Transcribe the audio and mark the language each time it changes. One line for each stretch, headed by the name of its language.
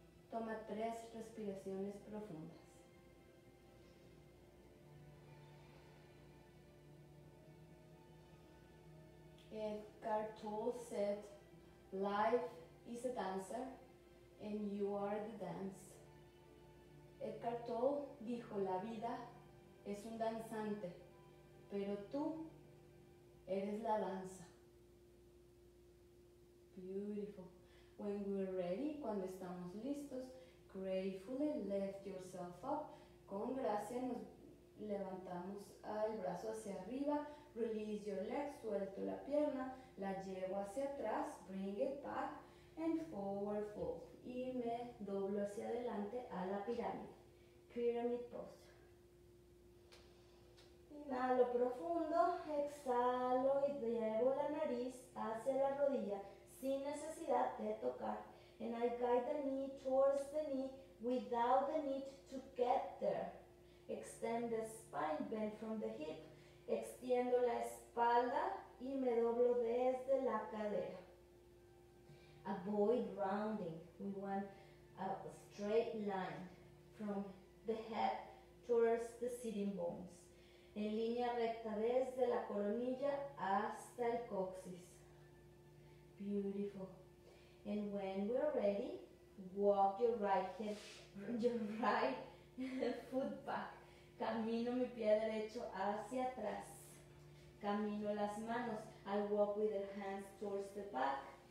Spanish: Toma 3 respiraciones profundas.
English: Eckhart Tolle said, life is a dancer and you are the dance.
Spanish: Eckhart Tolle dijo, la vida es un danzante, pero tú eres la danza.
English: Beautiful. When we're ready,
Spanish: cuando estamos listos,
English: gratefully lift yourself up.
Spanish: Con gracia nos levantamos el brazo hacia arriba.
English: Release your leg,
Spanish: suelto la pierna, la llevo hacia atrás.
English: Bring it back and forward fold.
Spanish: Y me doblo hacia adelante a la pirámide.
English: Pyramid pose.
Spanish: Inhalo profundo, exhalo y llevo la nariz hacia la rodilla sin necesidad de tocar.
English: And I guide the knee towards the knee without the need to get there. Extend the spine, bend from the hip.
Spanish: Extiendo la espalda y me doblo desde la cadera.
English: Avoid rounding. We want a straight line from the head towards the sitting bones.
Spanish: En línea recta desde la coronilla hasta el coxis.
English: Beautiful. And when we're ready, walk your right hip, your right foot back. Camino mi pie derecho hacia atrás. Camino las manos. I walk with the hands towards the back.